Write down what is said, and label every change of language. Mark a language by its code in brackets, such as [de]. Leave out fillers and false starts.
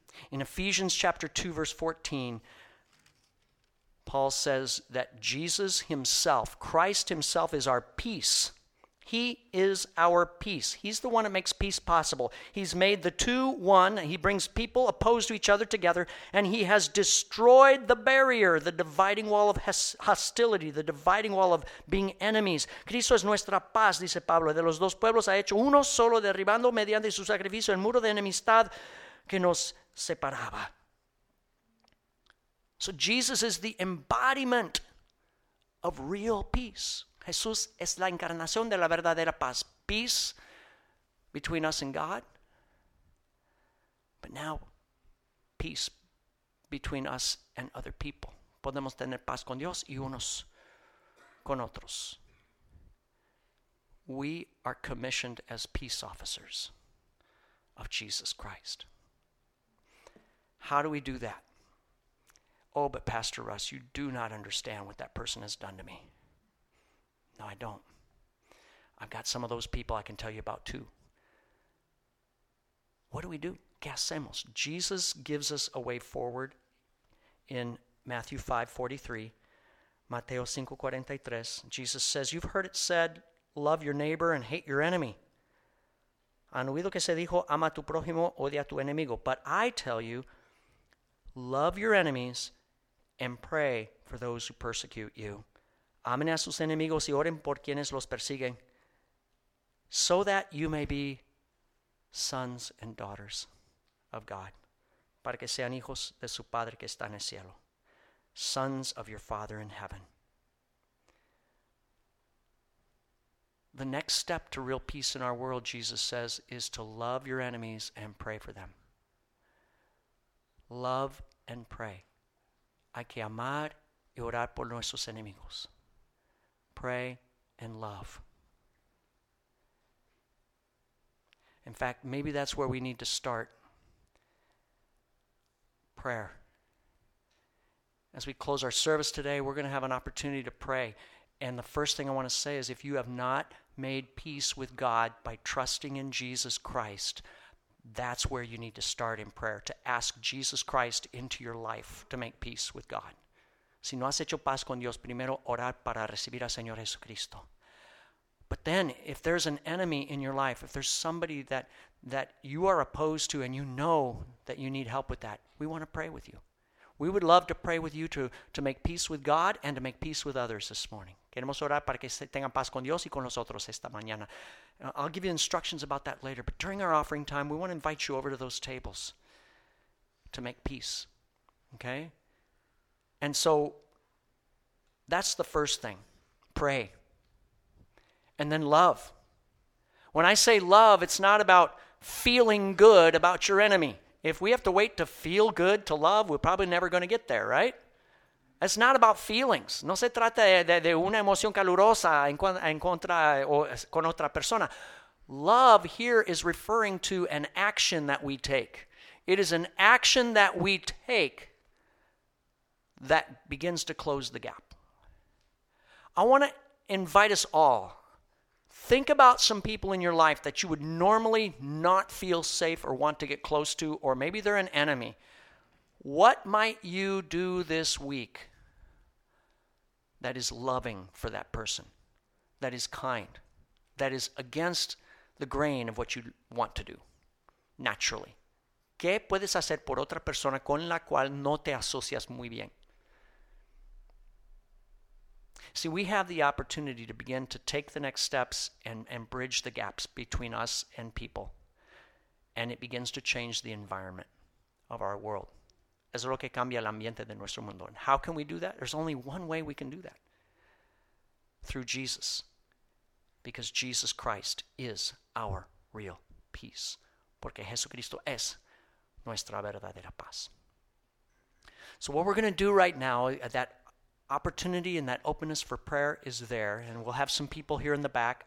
[en] In Ephesians chapter 2, verse 14, Paul says that Jesus himself, Christ himself, is our peace. He is our peace. He's the one that makes peace possible. He's made the two one. He brings people opposed to each other together. And he has destroyed the barrier, the dividing wall of hostility, the dividing wall of being enemies. [es] Cristo es nuestra paz, dice Pablo. De los dos pueblos ha hecho uno solo, derribando mediante su sacrificio el muro de enemistad que nos separaba. [en] So Jesus is the embodiment of real peace. [es] Jesús es la encarnación de la verdadera paz. [en] Peace between us and God. But now, peace between us and other people. [es] Podemos tener paz con Dios y unos con otros. [en] We are commissioned as peace officers of Jesus Christ. How do we do that? Oh, but Pastor Russ, you do not understand what that person has done to me. No, I don't. I've got some of those people I can tell you about too. What do we do? [es] ¿Qué hacemos? [en] Jesus gives us a way forward in Matthew 5:43, Mateo 5:43. Jesus says, you've heard it said, love your neighbor and hate your enemy. [es] Han oído que se dijo, ama a tu prójimo, odia a tu enemigo. [en] But I tell you, love your enemies and pray for those who persecute you. [es] Amen a sus enemigos y oren por quienes los persiguen, [en] so that you may be sons and daughters of God. [es] Para que sean hijos de su Padre que está en el cielo. [en] Sons of your Father in heaven. The next step to real peace in our world, Jesus says, is to love your enemies and pray for them. Love and pray. [es] Hay que amar y orar por nuestros enemigos. [en] Pray and love. In fact, maybe that's where we need to start. Prayer. As we close our service today, we're going to have an opportunity to pray. And the first thing I want to say is if you have not made peace with God by trusting in Jesus Christ, that's where you need to start in prayer, to ask Jesus Christ into your life to make peace with God. [es] Si no has hecho paz con Dios, primero orar para recibir al Señor Jesucristo. [en] But then, if there's an enemy in your life, if there's somebody that you are opposed to and you know that you need help with that, we want to pray with you. We would love to pray with you to make peace with God and to make peace with others this morning. [es] Queremos orar para que tengan paz con Dios y con nosotros esta mañana. [en] I'll give you instructions about that later, but during our offering time, we want to invite you over to those tables to make peace, okay? And so that's the first thing, pray. And then love. When I say love, it's not about feeling good about your enemy. If we have to wait to feel good to love, we're probably never going to get there, right? It's not about feelings. [es] No se trata de una emoción calurosa en contra o con otra persona. [en] Love here is referring to an action that we take. It is an action that we take that begins to close the gap. I want to invite us all. Think about some people in your life that you would normally not feel safe or want to get close to, or maybe they're an enemy. What might you do this week that is loving for that person, that is kind, that is against the grain of what you want to do naturally? [es] ¿Qué puedes hacer por otra persona con la cual no te asocias muy bien? [en] See, we have the opportunity to begin to take the next steps and bridge the gaps between us and people. And it begins to change the environment of our world. [es] Es lo que cambia el ambiente de nuestro mundo. [en] And how can we do that? There's only one way we can do that. Through Jesus. Because Jesus Christ is our real peace. [es] Porque Jesucristo es nuestra verdadera paz. [en] So what we're going to do right now, that opportunity and that openness for prayer is there, and we'll have some people here in the back.